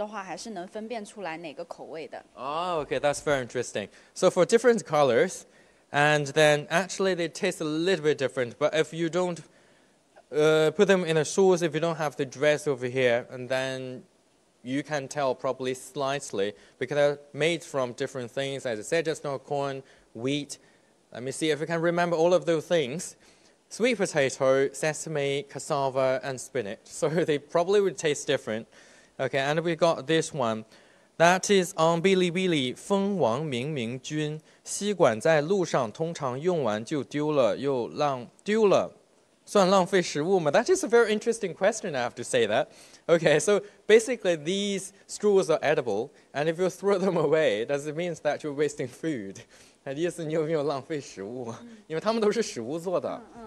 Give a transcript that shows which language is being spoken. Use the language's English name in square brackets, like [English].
[Chinese] 区别不是很大,但是如果说你就是没有拌调料吃的话,还是能分辨出来哪个口味的。 [English] Oh, okay, that's very interesting. So for different colors, and then actually they taste a little bit different, but if you don't put them in a sauce if you don't have the dress over here, and then you can tell probably slightly because they're made from different things, as I said, just now, corn, wheat. Let me see if you can remember all of those things. Sweet potato, sesame, cassava, and spinach. So they probably would taste different. Okay, and we got this one. That is on Bilibili, [Chinese] 蜂王明明君, 吸管在路上通常用完就丢了又浪丢了。算浪费食物吗? [English] That is a very interesting question, I have to say that. Okay, so basically these straws are edible, and if you throw them away, does it mean that you're wasting food? [Chinese] 意思你有没有浪费食物?因为它们都是食物做的。